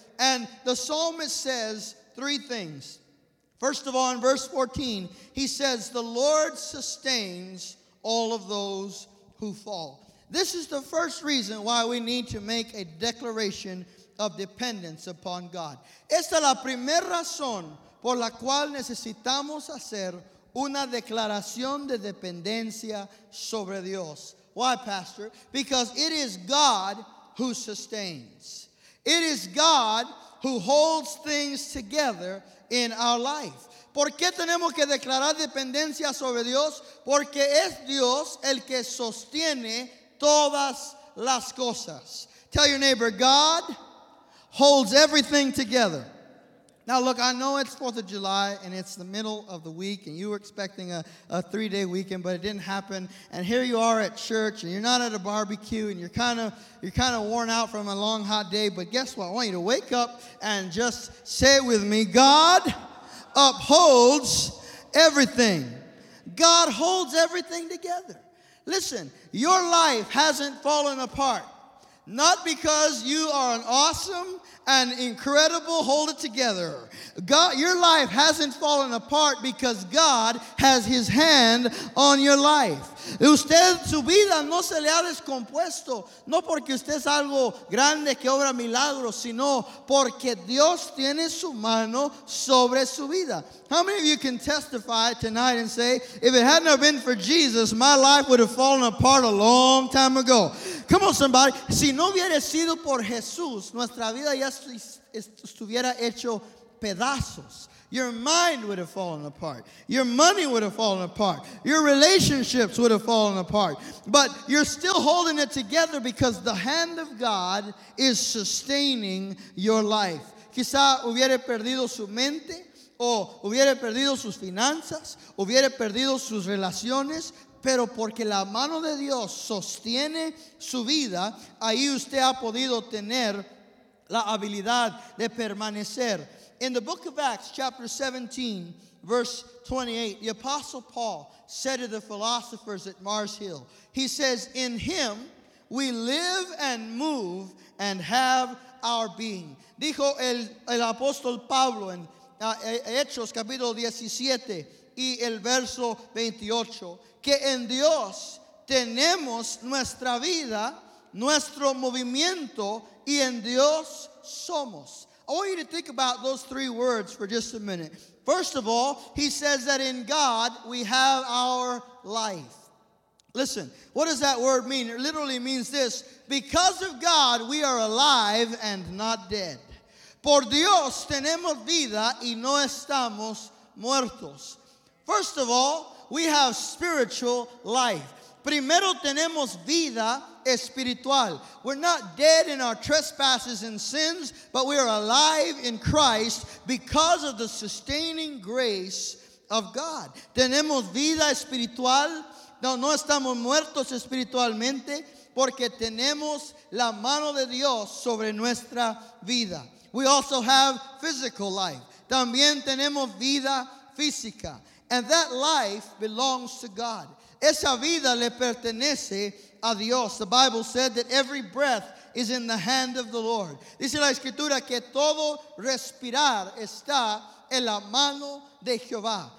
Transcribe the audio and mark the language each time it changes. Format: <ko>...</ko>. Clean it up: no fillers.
<en>And the psalmist says three things. First of all, in verse 14, he says, "The Lord sustains all of those who fall." This is the first reason why we need to make a declaration of dependence upon God.</en> <es>Esta es la primera razón por la cual necesitamos hacer una declaración de dependencia sobre Dios.</es> <en>Why, Pastor? Because it is God who sustains. It is God who holds things together in our life.</en> <es>¿Por qué tenemos que declarar dependencia sobre Dios? Porque es Dios el que sostiene todas las cosas.</es> <en>Tell your neighbor, God holds everything together. Now look, I know it's 4th of July and it's the middle of the week and you were expecting a 3-day weekend, but it didn't happen. And here you are at church and you're not at a barbecue and you're kind of worn out from a long hot day. But guess what? I want you to wake up and just say it with me. God upholds everything. God holds everything together. Listen, your life hasn't fallen apart. Not because you are an awesome and incredible hold it together. God, your life hasn't fallen apart because God has his hand on your life.</en> <es>Usted, su vida no se le ha descompuesto, no porque usted es algo grande que obra milagros, sino porque Dios tiene su mano sobre su vida.</es> <en>How many of you can testify tonight and say, if it hadn't have been for Jesus, my life would have fallen apart a long time ago? Come on, somebody.</en> <es>Si no hubiera sido por Jesús, nuestra vida ya estuviera hecho pedazos.</es> <en>Your mind would have fallen apart. Your money would have fallen apart. Your relationships would have fallen apart. But you're still holding it together because the hand of God is sustaining your life.</en> <es>Quizá hubiera perdido su mente, o hubiera perdido sus finanzas, hubiera perdido sus relaciones, pero porque la mano de Dios sostiene su vida, ahí usted ha podido tener la habilidad de permanecer.</es> <en>In the book of Acts, chapter 17, verse 28, the Apostle Paul said to the philosophers at Mars Hill, he says, "In him We live and move and have our being.</en> <es>Dijo el apóstol Pablo en Hechos capítulo 17 y el verso 28, que en Dios tenemos nuestra vida, nuestro movimiento, y en Dios somos.</es> <en>I want you to think about those three words for just a minute. First of all, he says that in God we have our life. Listen, what does that word mean? It literally means this: because of God, we are alive and not dead.</en> <es>Por Dios tenemos vida y no estamos muertos.</es> <en>First of all, we have spiritual life.</en> <es>Primero tenemos vida espiritual.</es> <en>We're not dead in our trespasses and sins, but we are alive in Christ because of the sustaining grace of God.</en> <es>Tenemos vida espiritual. No estamos muertos espiritualmente porque tenemos la mano de Dios sobre nuestra vida. We also have physical life. También tenemos vida física. And that life belongs to God. Esa vida le pertenece a Dios.</es> <en>The Bible said that every breath is in the hand of the Lord.</en> <es>Dice la Escritura que todo respirar está en la mano de Jehová.</es>